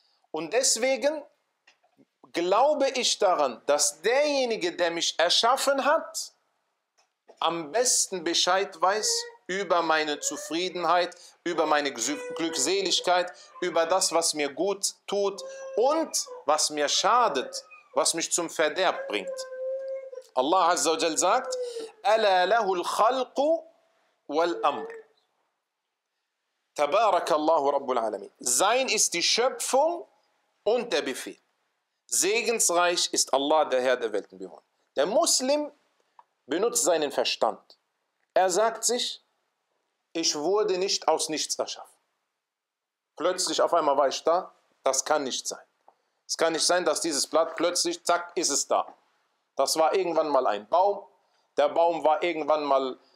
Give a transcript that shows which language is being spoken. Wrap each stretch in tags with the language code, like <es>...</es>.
<de>Und deswegen glaube ich daran, dass derjenige, der mich erschaffen hat, am besten Bescheid weiß über meine Zufriedenheit, über meine Glückseligkeit, über das, was mir gut tut und was mir schadet, was mich zum Verderb bringt.</de> <ar>Allah Azza wa Jalla</ar> <de>sagt,</de> <ar>أَلَا لَهُ الْخَلْقُ وَالْأَمْرُ تَبَارَكَ اللَّهُ رَبُّ الْعَالَمِينَ.</ar> <de>Sein ist die Schöpfung und der Befehl. Segensreich ist Allah, der Herr der Welten. Der Muslim benutzt seinen Verstand. Er sagt sich, ich wurde nicht aus nichts erschaffen. Plötzlich auf einmal war ich da. Das kann nicht sein. Es kann nicht sein, dass dieses Blatt plötzlich, zack, ist es da. Das war irgendwann mal ein Baum. Der Baum war irgendwann mal</de>